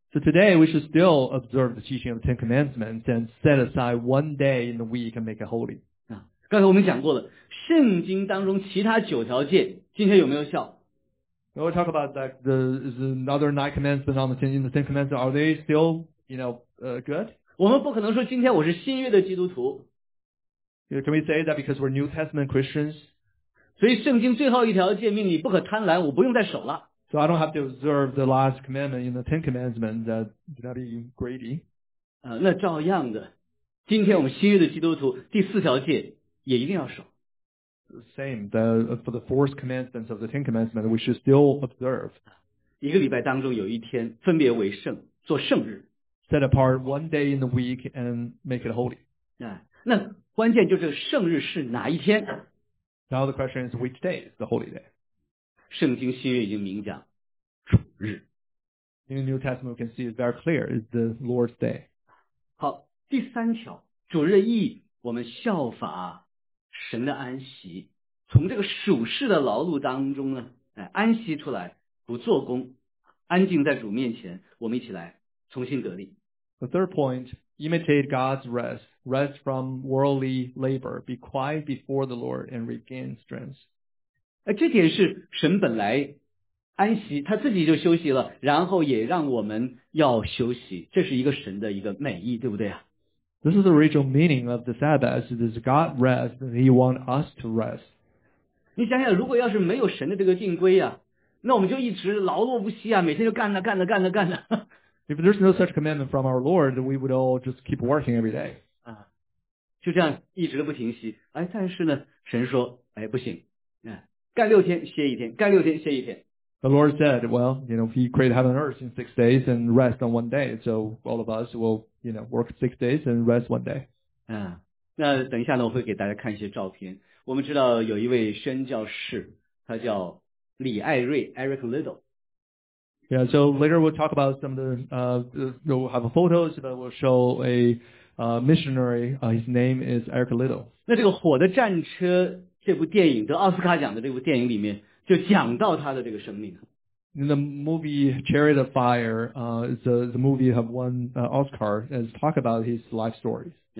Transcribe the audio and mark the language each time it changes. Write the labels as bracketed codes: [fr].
[en] So today we should still observe the teaching of the Ten Commandments and set aside one day in the week and make it holy. [zh] 刚才我们讲过了，圣经当中其他九条诫今天有没有效？ [en] When we talk about that, is another nine commandments on the ten, in the ten commandments, are they still, you know, good? [zh] 我们不可能说今天我是新约的基督徒。 [en] Can we say that because we're New Testament Christians? [zh] 所以圣经最后一条诫命，你不可贪婪，我不用再守了。 [en] So I don't have to observe the last commandment in the ten commandments, that would be greedy. [zh] 那照样的，今天我们新约的基督徒第四条诫也一定要守。 [en] Same, for the fourth commandments of the ten commandments, we should still observe. [zh] 一个礼拜当中有一天分别为圣，做圣日。 [en] Set apart one day in the week and make it holy. [zh] 那关键就是圣日是哪一天？ [en] Now the question is which day is the holy day? [zh] 圣经新约已经明讲，日。 [en] In the New Testament, we can see it very clear, is the Lord's day. [zh] 好，第三条，主日意我们效法神的安息，从这个属世的劳碌当中呢，哎，安息出来，不做工，安静在主面前，我们一起来重新得力。 [en] The third point, imitate God's rest, rest from worldly labor, be quiet before the Lord and regain strength. [zh] 这点是神本来安息，他自己就休息了，然后也让我们要休息，这是一个神的一个美意，对不对啊？ [en] This is the original meaning of the Sabbath. It is God rest and He wants us to rest. [zh] 你想想，如果要是没有神的这个定规啊，那我们就一直劳碌不息啊，每天就干了干了干了干了。 [en] If there's no such commandment from our Lord, we would all just keep working every day. [zh] 就这样一直不停息。哎，但是呢，神说，哎，不行，干六天歇一天，干六天歇一天。 [en] The Lord said, well, you know, He created heaven and earth in 6 days and rest on 1 day. So all of us will, you know, work 6 days and rest 1 day. [zh] 那等一下呢，我会给大家看一些照片。我们知道有一位宣教士，他叫李艾瑞 ,Eric Little. [en] Yeah, so later we'll talk about some of the, we'll have photos, but we'll show a, missionary, his name is Eric Little. [zh] 那这个火的战车这部电影，得奥斯卡奖的这部电影里面，就讲到他的这个生命。 [en] In the movie Chariot of Fire, the movie have won Oscar and talk about his life stories.